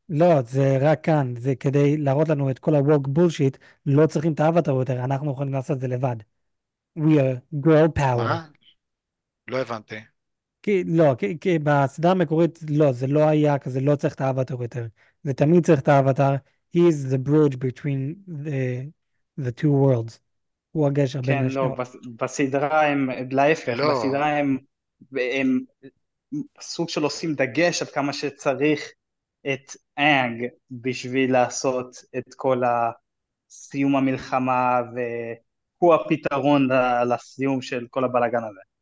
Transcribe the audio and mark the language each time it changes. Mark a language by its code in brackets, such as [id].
[he] לא, זה רק כאן, זה כדי להראות לנו את כל ה- [en] woke bullshit, [he] לא צריכים את האבטר יותר, אנחנו יכולים לעשות את זה לבד. [en] We are girl power. [he] מה? לא הבנתי. כי לא, כי בסדרה המקורית, לא, זה לא היה כזה, לא צריך את האבטר יותר. זה תמיד צריך את האבטר. [en] He is the bridge between the two worlds. [he] הוא הגשר בין כן, לא, השניות. בסדרה הם, להפך, לא. בסדרה הם סוג של עושים דגש עד כמה שצריך את אנג בשביל לעשות את כל סיום המלחמה, והוא הפתרון לסיום של כל הבלגן הזה.